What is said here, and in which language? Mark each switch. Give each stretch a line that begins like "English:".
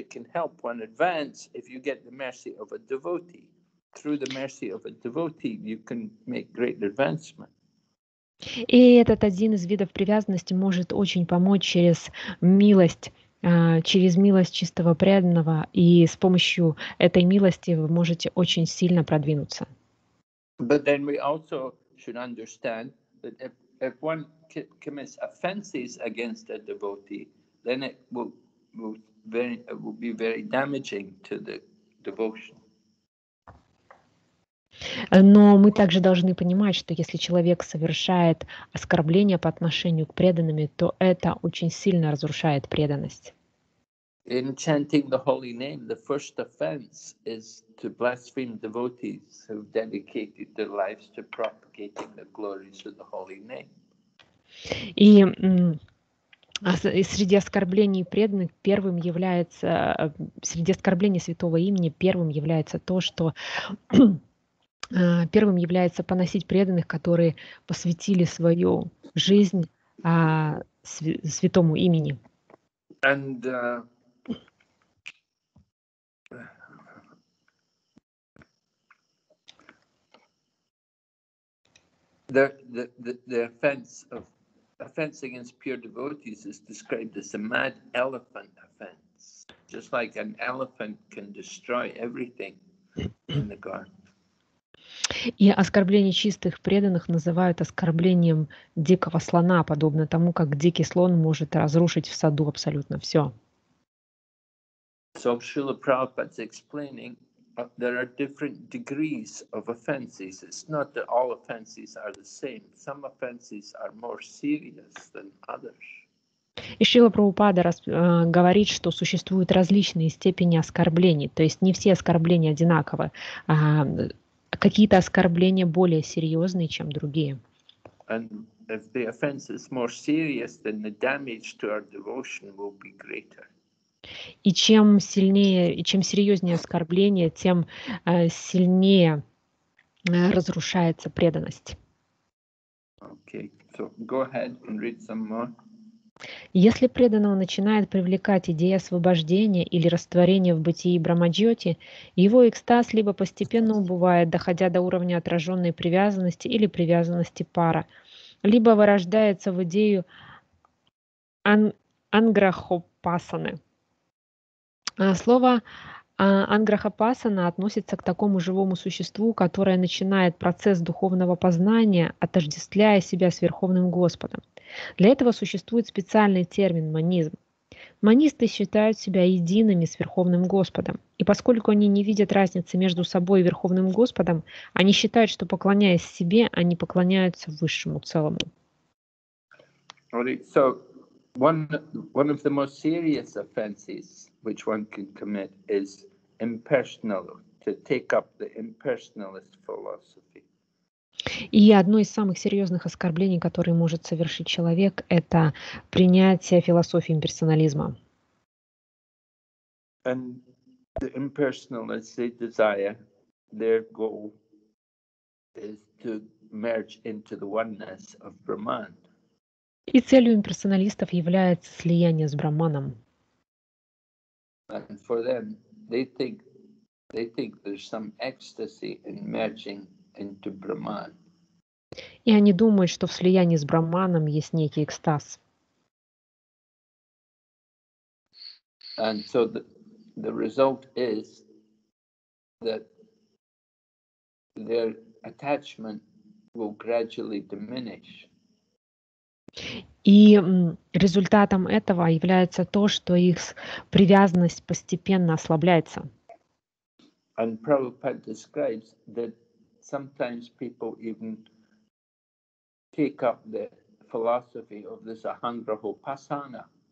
English: It can help one advance if you get the mercy of a devotee. Through the mercy of a devotee, you can make great advancement.
Russian: И этот один из видов привязанности может очень помочь через милость чистого преданного, и с помощью этой милости вы можете очень сильно продвинуться.
English: But then we also should understand that if one commits offenses against a devotee, then it will be very damaging to the devotion.
Russian: Но мы также должны понимать, что если человек совершает оскорбление по отношению к преданным, то это очень сильно разрушает преданность.
English: In chanting the holy name, the first offense is to blaspheme devotees who dedicated their lives to propagating the glories of the holy name.
Russian: И среди оскорблений преданных первым является среди оскорблений святого имени первым является то, что первым является поносить преданных, которые посвятили свою жизнь святому имени.
English: And, The offense against pure devotees is described as a mad elephant offense, just like an elephant can destroy everything in the garden.
Russian: И оскорбление чистых преданных называют оскорблением дикого слона, подобно тому, как дикий слон может разрушить в саду абсолютно все.
English: So Srila Prabhupada's explaining there are different degrees of offenses. It's not that all offenses are the same. Some offenses are more serious than others.
Russian: И Шрила Прабхупада говорит, что существуют различные степени оскорблений. То есть не все оскорбления одинаковы. Какие-то оскорбления более серьезные, чем другие.
English: And if the offense is more serious, then the damage to our devotion will be greater.
Russian: И чем сильнее, и чем серьезнее оскорбление, тем сильнее разрушается преданность.
English: Okay, so go ahead and read some more.
Russian: Если преданного начинает привлекать идея освобождения или растворения в бытии Брахмаджоти, его экстаз либо постепенно убывает, доходя до уровня отраженной привязанности или привязанности пара, либо вырождается в идею анграхопасаны. Слово анграхопасана относится к такому живому существу, которое начинает процесс духовного познания, отождествляя себя с Верховным Господом. Для этого существует специальный термин – монизм. Монисты считают себя едиными с Верховным Господом. И поскольку они не видят разницы между собой и Верховным Господом, они считают, что поклоняясь себе, они поклоняются Высшему Целому.
English: So one of the most serious offenses which one can commit is impersonal, to take up the impersonalist philosophy.
Russian: И одно из самых серьезных оскорблений, которые может совершить человек, это принятие философии имперсонализма.
English: And the impersonalists, their desire, their goal is to merge into the oneness of Brahman.
Russian: И целью имперсоналистов является слияние с Брахманом.
English: And for them, they think there's some ecstasy in merging into Brahman.
Russian: И они думают, что в слиянии с Брахманом есть некий экстаз.
English: And so the result is that their attachment will gradually diminish.
Russian: И результатом этого является то, что их привязанность постепенно ослабляется.
English: And Prabhupada describes that sometimes people even take up the philosophy of this anugrahopasana.